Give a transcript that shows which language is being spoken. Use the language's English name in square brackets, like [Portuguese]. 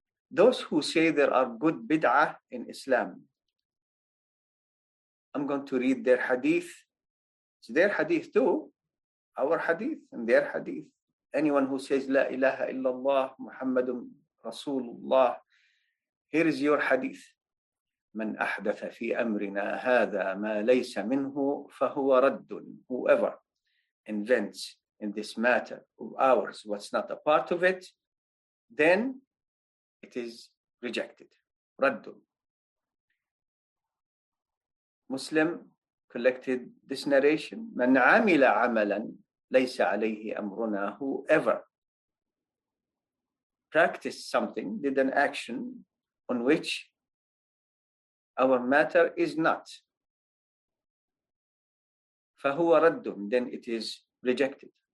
[English] Those who say there are good bid'ah in Islam, I'm going to read their hadith. It's their hadith too. Our hadith and their hadith. Anyone who says La ilaha illallah Muhammadun Rasulullah, here is your hadith. [Arabic] من أحدث في أمرنا هذا ما ليس منه فهو رد. [English] Whoever invents in this matter of ours what's not a part of it, then it is rejected. [Arabic] رد. [English] Muslim collected this narration. [Arabic] من عمل عملا ليس عليه أمرنا, [English] whoever practiced something, did an action on which our matter is not, [Arabic] فهو رد, [English] then it is rejected.